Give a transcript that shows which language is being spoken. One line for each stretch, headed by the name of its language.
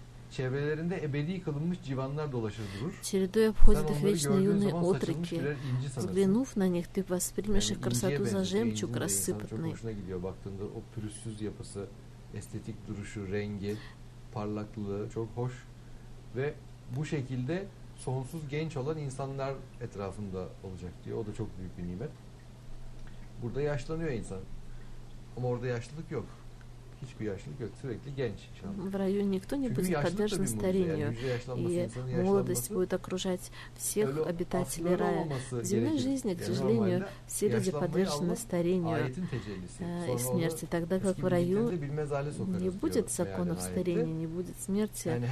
Turkish: Çevrelerinde ebedi kılınmış civanlar dolaşır durur.
Russian: Çeridu обходит их вечные юные отроки. Взглянув на них, ты воспримешь их красоту за жемчуг рассыпанный.
Turkish: Çok hoşuna gidiyor baktığında o pürüzsüz yapısı, estetik duruşu, rengi, parlaklığı çok hoş. Ve bu şekilde sonsuz genç olan insanlar etrafında olacak diyor. O da çok büyük bir nimet. Burada yaşlanıyor insan. Ama orada yaşlılık yok.
Russian: В раю никто не будет подвержен старению, и молодость будет окружать всех обитателей рая. В земной жизни, к сожалению, все люди подвержены старению и смерти, тогда как в раю не будет законов старения, не будет смерти.